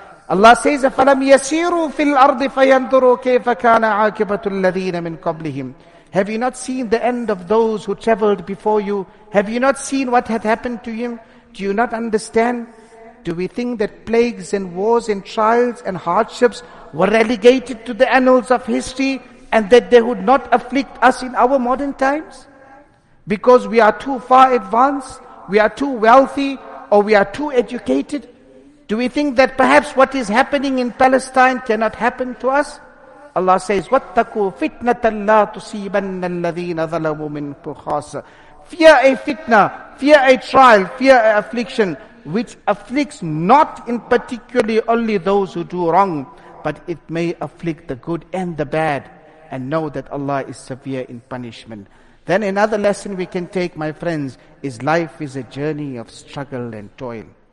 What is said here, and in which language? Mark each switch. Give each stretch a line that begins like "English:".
English: Allah says,
Arabic: فَلَمْ يَسِيرُوا فِي الْأَرْضِ فَيَنْظُرُوا كَيْفَ كَانَ عَاقِبَةُ الَّذِينَ مِنْ قَبْلِهِمْ.
English: Have you not seen the end of those who traveled before you? Have you not seen what had happened to you? Do you not understand? Do we think that plagues and wars and trials and hardships were relegated to the annals of history, and that they would not afflict us in our modern times? Because we are too far advanced, we are too wealthy, or we are too educated? Do we think that perhaps what is happening in Palestine cannot happen to us? Allah says,
Arabic: وَاتَّقُوا فِتْنَةً لَا تُصِيبَنَّ الَّذِينَ ظَلَمُوا مِنْكُمْ خَاسًا.
English: Fear a fitna, fear a trial, fear an affliction, which afflicts not in particularly only those who do wrong, but it may afflict the good and the bad. And know that Allah is severe in punishment. Then another lesson we can take, my friends, is life is a journey of struggle and toil.